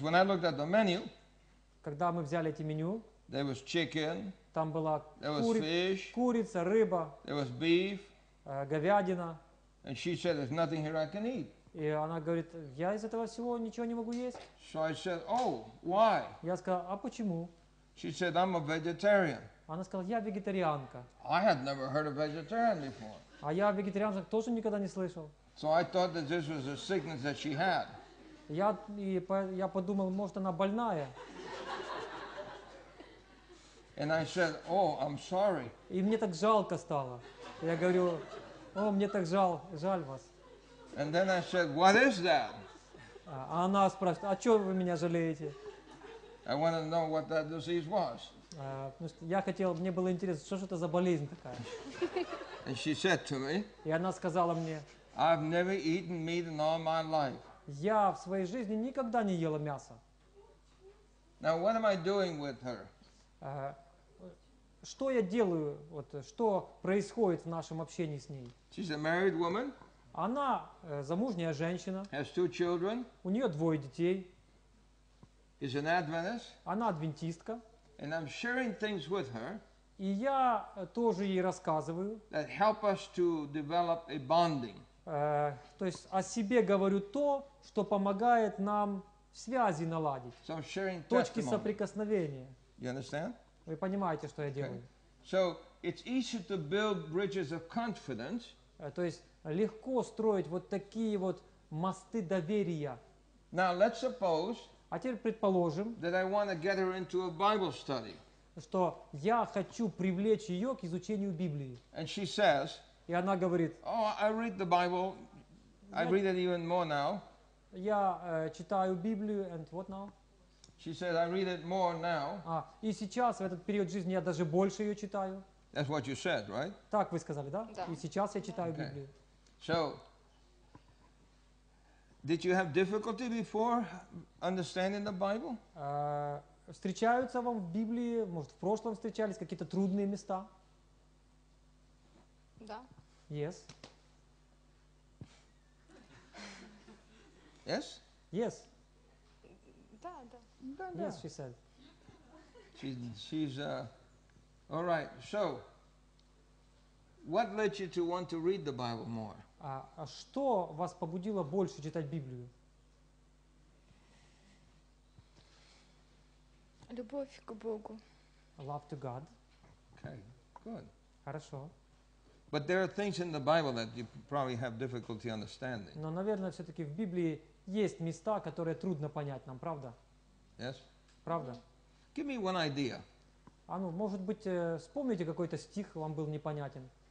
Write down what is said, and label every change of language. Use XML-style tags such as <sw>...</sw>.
<en>when I looked at the menu,</en> <ru>когда мы взяли эти меню,</ru> <en>there was chicken,</en> <ru>там была</ru> <en>fish,</en> <ru>курица, рыба,</ru> <en>there was beef,</en> <ru>говядина.</ru> <en>And she said, there's nothing here I can eat.</en> <ru>И она говорит, я из этого всего ничего не могу есть.</ru> <en>So I said, oh, why?</en> <ru>Я сказал, а почему?</ru> <en>She said, I'm a vegetarian.</en> <ru>Она сказала, я вегетарианка.</ru> <en>I had never heard of vegetarian before.</en> <ru>А я вегетарианцев тоже никогда не слышал.</ru> <en>So I thought that this was a sickness that she had.</en> <ru>Я подумал, может, она больная.</ru> <en>And I said, oh, I'm sorry.</en> <ru>И мне так жалко стало. Я говорю, о, мне так жаль вас.</ru> <en>And then I said, what is that?</en> <ru>А она спрашивает, а чего вы меня жалеете?</ru> <en>I wanted to know what that disease was.</en> <ru>Я хотел, мне было интересно, что это за болезнь такая.</ru> <en>And she said to me,</en> <ru>и она сказала мне,</ru> <en>I've never eaten meat in all my life.</en> <ru>Я в своей жизни никогда не ела мясо.</ru> <en>Now what am I doing with her?</en> <ru>Что я делаю, вот что происходит в нашем общении с ней?</ru> <en>She's a married woman.</en> <ru>Она замужняя женщина.</ru> <en>Has two children.</en> <ru>У нее двое детей.</ru> <en>Is an Adventist.</en> <ru>Она адвентистка.</ru> <en>And I'm sharing things with her.</en> <ru>И я тоже ей рассказываю.</ru> <en>That help us to develop a bonding.</en> <ru>То есть о себе говорю то, что помогает нам связи наладить.</ru> <en>So I'm sharing</en> <ru>точки</ru> <en>testimony.</en> <ru>Соприкосновения.</ru> <en>You understand?</en> <ru>Вы понимаете, что я делаю.</ru> <en>So it's easy to build bridges of confidence.</en> <ru>То есть легко строить вот такие вот мосты доверия.</ru> <en>Now let's suppose.</en> <ru>А теперь предположим.</ru> <en>That I want to get her into a Bible study.</en> <ru>Что я хочу привлечь ее к изучению Библии.</ru> <en>And she says.</en> <ru>И она говорит.</ru> <en>Oh, I read the Bible. I read it even more now.</en> <ru>Я читаю Библию,</ru> <en>and what now? She said, I read it more now.</en> <ru>И сейчас, в этот период жизни, я даже больше ее читаю. That's what you said, right? Так вы сказали, да? Да. И сейчас я читаю Библию.</ru> <en>So, did you have difficulty before understanding the Bible?</en> <ru>Встречаются вам в Библии, может, в прошлом встречались какие-то трудные места? Да.</ru> <en>Yes. Yes? Yes.</en> <ru>Да,</ru> <en>yes,</en> <ru>да.</ru> <en>She said. She's all right. So, what led you to want to read the Bible more?</en> <ru>Что вас побудило больше читать Библию? Любовь к Богу.</ru> <en>Love to God. Okay, good.</en> <ru>Хорошо.</ru> <en>But there are things in the Bible that you probably have difficulty understanding.</en> <ru>Но, наверное, все-таки в Библии есть места, которые трудно понять нам, правда?</ru> <en>Yes.</en> <ru>Правда?</ru> <en>Give me one idea.</en> <ru>А ну, может быть, вспомните какой-то стих, вам был непонятен.</ru>